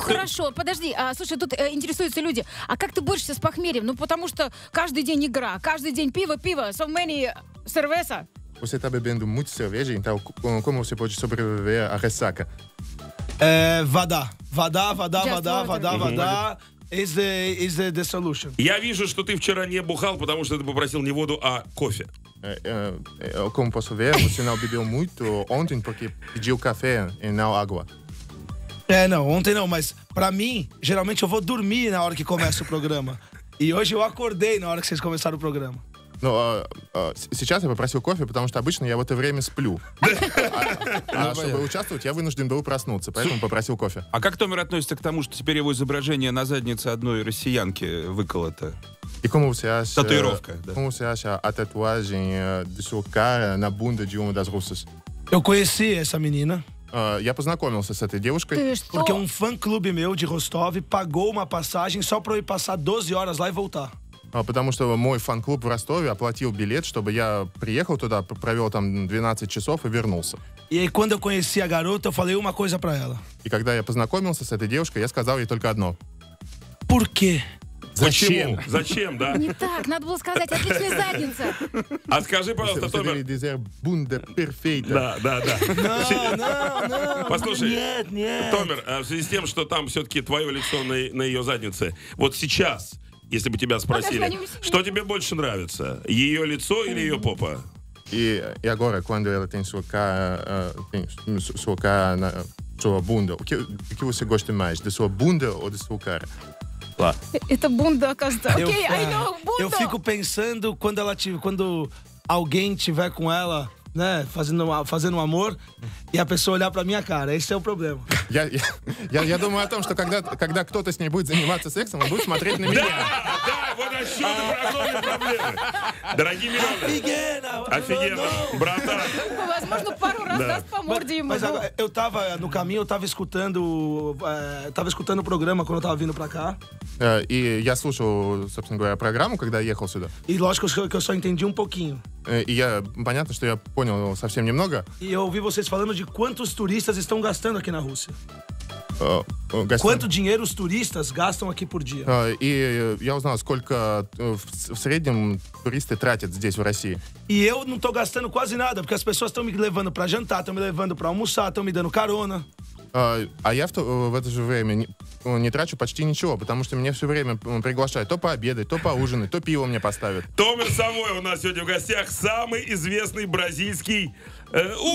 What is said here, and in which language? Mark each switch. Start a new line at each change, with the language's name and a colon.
Russian: Хорошо, подожди, слушай, тут интересуются люди, а как ты борешься с похмельем? Ну, потому что каждый день игра, каждый день пиво,
English: so many
Russian: cerveza.
Portuguese: Você está bebendo muito cerveja, então como você pode sobreviver à ressaca?
Russian: Вода. Вода.
English: Is the solution.
Russian: Я вижу, что ты вчера не бухал, потому что ты попросил не воду, а кофе.
Portuguese: Como posso ver, você não bebeu muito ontem, porque pediu café e não água. É, não, ontem não, mas pra mim, geralmente eu vou dormir na hora que começa o programa. E hoje eu acordei na hora que vocês começaram o programa.
Russian: Ну, сейчас я попросил кофе, потому что обычно я в это время сплю. А чтобы участвовать, я вынужден был проснуться, поэтому попросил кофе. А как Томер относится к тому, что теперь его изображение на заднице одной россиянки выколото? И кому вся татуировка? Кому вся эта татуажень до сих пор на бунде Дюма дас Русос? Я
Portuguese: conheci essa menina.
Russian: Я познакомился с этой девушкой.
Portuguese: Porque um fã-club meu de Rostov pagou uma passagem só para eu passar 12 horas lá e voltar.
Russian: Потому что мой фан-клуб в Ростове оплатил билет, чтобы я приехал туда, провел там 12 часов и вернулся. И когда я
Portuguese: conheci a garota, eu falei uma coisa para ela.
Russian: И когда я познакомился с этой девушкой, я сказал ей только одно.
Portuguese: Por quê?
Russian: Зачем? Зачем, да? Не так, надо было сказать, отличная задница. А скажи, пожалуйста, Томер... Вы сказали, бунде перфейта. Да, да, да.
Portuguese: No.
Russian: Послушай, нет, нет. Томер, в связи с тем, что там все-таки твое лицо на ее заднице, вот сейчас... Если бы тебя спросили, что тебе больше нравится, ее лицо или ее попа? И
Portuguese: agora, quando ela tem sua cara na sua bunda, o que você gosta mais, de sua bunda ou de sua cara?
Russian: Это бунда, оказывается.
English: Окей, I know,
Portuguese: бунда! Eu fico pensando, quando alguém estiver com ela, né, fazendo um amor, e a pessoa olhar pra minha cara, esse é o problema.
Russian: Я думаю о том, что когда кто-то с ней будет заниматься сексом, он будет смотреть на меня. Да, да, вот отсюда проходят проблемы. Дорогие миллионы. Офигенно. Братан. Возможно, пару раз даст по морде ему.
Portuguese: Mas eu tava no caminho, eu tava escutando o programa quando eu tava vindo pra cá.
Russian: И я слушал, собственно говоря, программу, когда ехал сюда. И
Portuguese: лógico, que eu só entendi um pouquinho.
Russian: И я, понятно, что я понял совсем немного. И я
Portuguese: ouvi vocês falando de quantos turistas estão gastando aqui na Rússia. Quanto dinheiro os turistas gastam aqui por dia? E eu não sei
Russian: сколько в среднем туристы тратят здесь в России.
Portuguese: E eu não estou gastando quase nada, porque as pessoas estão me levando para jantar, estão me levando para almoçar, estão me dando carona.
Russian: А я в это же время не трачу почти ничего, потому что меня все время приглашают то пообедать, то поужинать, то пиво мне поставят. Томер Савой у нас сегодня в гостях, самый известный бразильский умник.